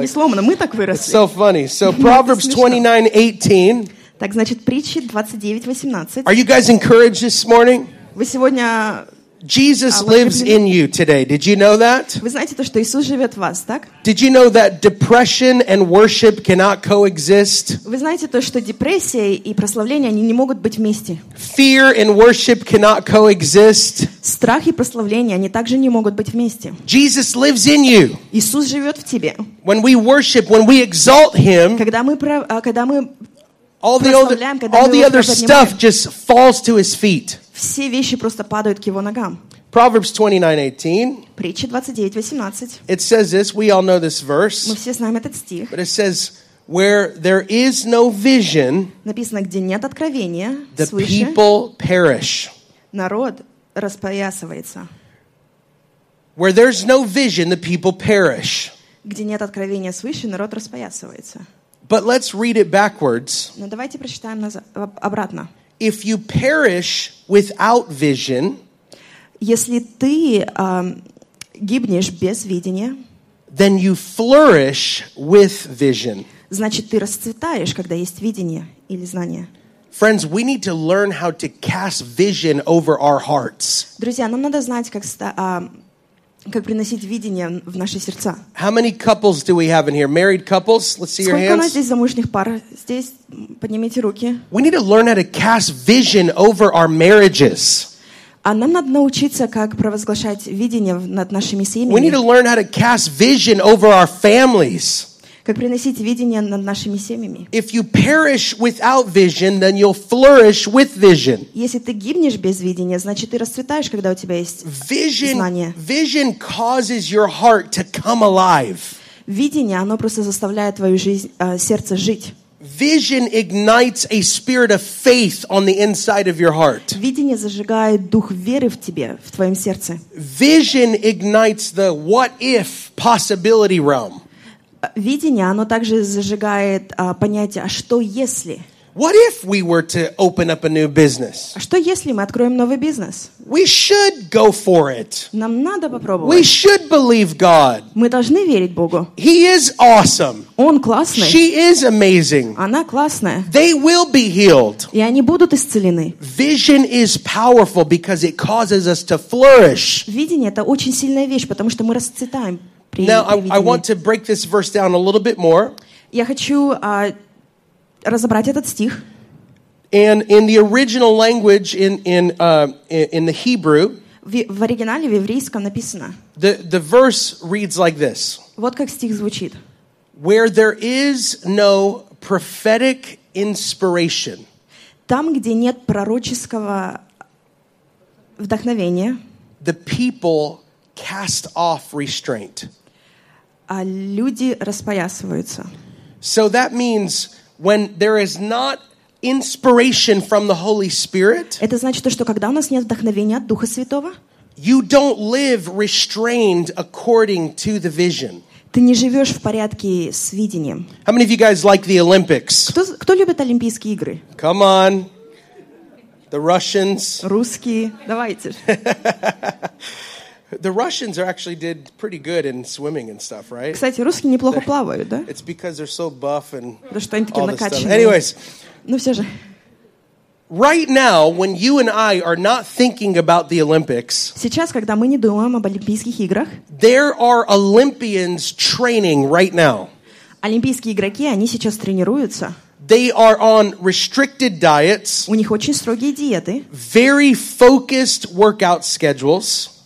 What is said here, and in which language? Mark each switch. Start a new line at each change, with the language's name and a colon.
Russian: Не сломано, мы так выросли.
English: It's so funny. So Proverbs 29:18.
Russian: Так, значит, притчи 29:18.
English: Are you guys encouraged this morning?
Russian: Вы сегодня...
English: Jesus lives in you today. Did you know that?
Russian: Вы знаете то, что Иисус живет в вас, так?
English: Did you know that depression and worship cannot coexist?
Russian: Вы знаете то, что депрессия и прославление они не могут быть вместе?
English: Fear and worship cannot coexist.
Russian: Страх и прославление они также не могут быть вместе.
English: Jesus lives in you.
Russian: Иисус живет в тебе.
English: When we worship, when we exalt Him.
Russian: Когда мы
English: All the other stuff just falls to his feet.
Russian: Все вещи просто падают к его ногам.
English: Proverbs 29:18.
Russian: Притчи 29:18.
English: It says this. We all know this verse.
Russian: Мы все знаем этот стих.
English: But it says, "Where there is no vision,
Russian: написано, где нет откровения,
English: the people perish."
Russian: Народ распоясывается.
English: Where there's no vision, the people perish.
Russian: Где нет откровения свыше, народ распоясывается.
English: But let's read it backwards.
Russian: Но давайте прочитаем обратно.
English: If you perish without vision,
Russian: если ты гибнешь без видения,
English: then you flourish with vision.
Russian: Значит, ты расцветаешь, когда есть видение или знание.
English: Friends, we need to learn how to cast vision over our hearts.
Russian: Друзья, нам надо знать, как как приносить видение в наши сердца.
English: How many couples do we have in here? Married couples? Let's see your
Russian: Сколько
English: hands.
Russian: Сколько у нас здесь замужних пар? Здесь поднимите руки.
English: We need to learn how to cast vision over our marriages.
Russian: А нам надо научиться, как провозглашать видение над нашими семьями.
English: We need to learn how to cast vision over our families.
Russian: Как приносить видение над нашими семьями.
English: If you perish without vision, then you'll flourish with vision.
Russian: Если ты гибнешь без видения, значит ты расцветаешь, когда у тебя есть
English: vision,
Russian: знание.
English: Vision causes your heart to come alive.
Russian: Видение, оно просто заставляет твою жизнь, сердце жить.
English: Vision ignites a spirit of faith on the inside of your heart.
Russian: Видение зажигает дух веры в тебе, в твоем сердце.
English: Vision ignites the what if possibility realm.
Russian: Видение, оно также зажигает понятие, а что если?
English: What if we were to open up a new business?
Russian: А что если мы откроем новый бизнес?
English: We should go for it.
Russian: Нам надо попробовать.
English: We should believe God.
Russian: Мы должны верить Богу.
English: He is awesome.
Russian: Он классный.
English: She is amazing.
Russian: Она классная.
English: They will be healed.
Russian: И они будут исцелены.
English: Vision is powerful because it causes us to flourish.
Russian: Видение это очень сильная вещь, потому что мы расцветаем.
English: Now, I want to break this verse down a little bit more.
Russian: Я хочу разобрать этот стих.
English: And in the original language, in the Hebrew,
Russian: в оригинале, в еврейском написано,
English: the verse reads like this.
Russian: Вот как стих звучит.
English: Where there is no prophetic inspiration.
Russian: Там, где нет пророческого вдохновения,
English: the people cast off restraint.
Russian: А люди распоясываются.
English: So that means when there is not inspiration from the Holy Spirit,
Russian: это значит то, что когда у нас нет вдохновения от Духа Святого,
English: you don't live restrained according to the vision.
Russian: Ты не живешь в порядке с видением.
English: How many of you guys like the Olympics?
Russian: Кто любит Олимпийские игры?
English: Come on. The Russians.
Russian: Русские. Давайте.
English: The Russians actually did pretty good in swimming and stuff, right?
Russian: Кстати, русские неплохо плавают, да?
English: It's because they're so buff and
Russian: да, что они такие накачанные.
English: Anyways,
Russian: ну все же.
English: Right now, when you and I are not thinking about the Olympics,
Russian: сейчас, когда мы не думаем об Олимпийских играх,
English: there are Olympians training right now.
Russian: Олимпийские игроки, они сейчас тренируются.
English: They are on restricted diets. У них очень строгие диеты. Very focused workout schedules.